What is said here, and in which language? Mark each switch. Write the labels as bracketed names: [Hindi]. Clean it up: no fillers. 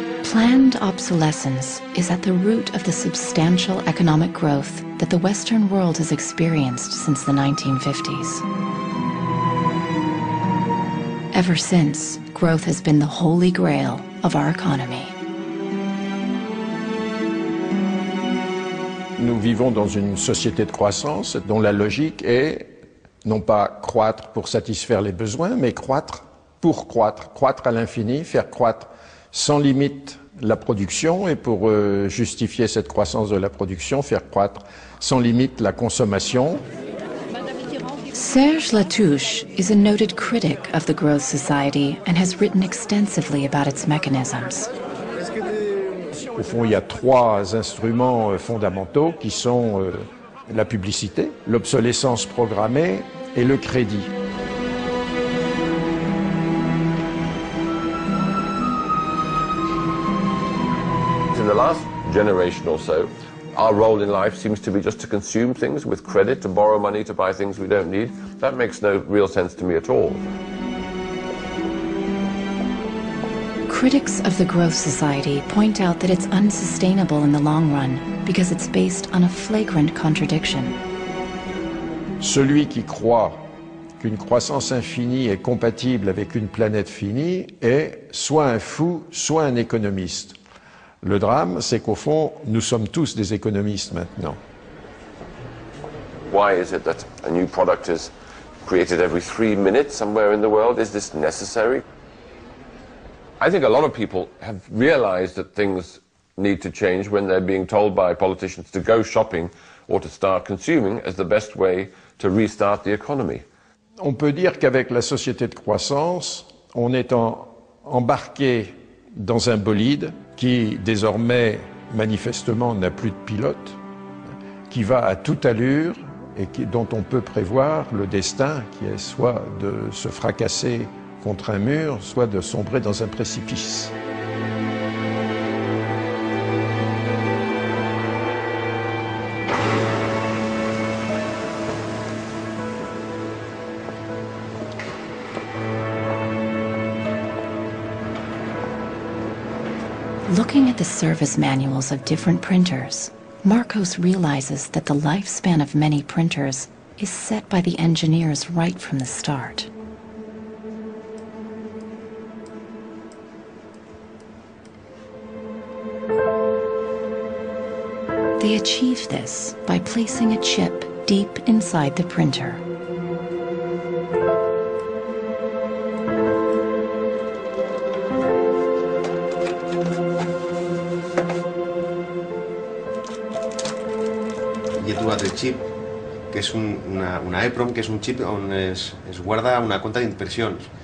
[English] Planned obsolescence is at the root of the substantial economic growth that the Western world has experienced since the 1950s. Ever since, growth has been the holy grail of our economy. [French] Nous vivons dans une société de croissance dont la logique est non pas croître pour satisfaire les besoins, mais croître pour croître, croître à l'infini, faire croître sans limite la production et pour justifier cette croissance de la production, faire croître sans limite la consommation. [English] Serge Latouche is a noted critic of the growth society and has written extensively about its mechanisms. [French] Au fond, il y a trois instruments fondamentaux qui sont la publicité, l'obsolescence programmée et le crédit. [English] In the last generation or so, our role in life seems to be just to consume things with credit, to borrow money to buy things we don't need. That makes no real sense to me at all. Critics of the growth society point out that it's unsustainable in the long run because it's based on a flagrant contradiction. [French] Celui qui croit qu'une croissance infinie est compatible avec une planète finie est soit un fou, soit un économiste. Le drame, c'est qu'au fond, nous sommes tous des économistes maintenant. [English] Why is it that a new product is created every 3 minutes somewhere in the world? Is this necessary? I think a lot of people have realized that things need to change when they're being told by politicians to go shopping or to start consuming as the best way to restart the economy. [French] On peut dire qu'avec la société de croissance, on est embarqué dans un bolide qui désormais manifestement n'a plus de pilote, qui va à toute allure et dont on peut prévoir le destin, qui est soit de se fracasser contre un mur, soit de sombrer dans un précipice. [English] Looking at the service manuals of different printers, Marcos realizes that the lifespan of many printers is set by the engineers right from the start. Thank you. They achieve this by placing a chip deep inside the printer. [Spanish] Lleva el chip, que es una EEPROM, que es un chip donde [Catalan] es guarda [Spanish] una cuenta de impresiones.